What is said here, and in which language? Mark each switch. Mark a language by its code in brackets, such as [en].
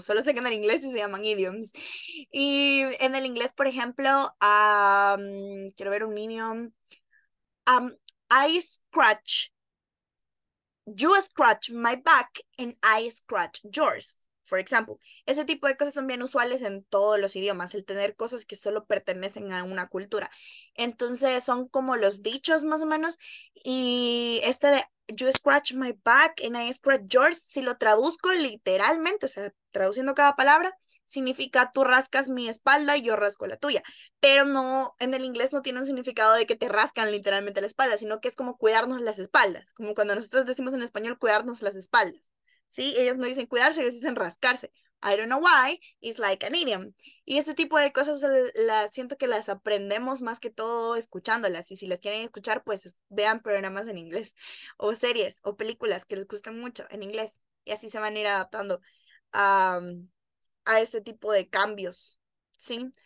[es] Solo sé que en el inglés sí se llaman idioms. Y en el inglés, por ejemplo, quiero ver un idiom. [en] I scratch. You scratch my back and I scratch yours, for example. [es] Ese tipo de cosas son bien usuales en todos los idiomas, el tener cosas que solo pertenecen a una cultura. Entonces son como los dichos más o menos. Y este de [en] you scratch my back and I scratch yours, [es] si lo traduzco literalmente, o sea, traduciendo cada palabra, significa tú rascas mi espalda y yo rasco la tuya. Pero no, en el inglés no tiene un significado de que te rascan literalmente la espalda, sino que es como cuidarnos las espaldas. Como cuando nosotros decimos en español cuidarnos las espaldas. ¿Sí? Ellos no dicen cuidarse, ellos dicen rascarse. [en] I don't know why, it's like an idiom. [es] Y ese tipo de cosas las siento que las aprendemos más que todo escuchándolas. Y si las quieren escuchar, pues vean programas en inglés, o series, o películas que les gusten mucho en inglés. Y así se van a ir adaptando a este tipo de cambios, ¿sí?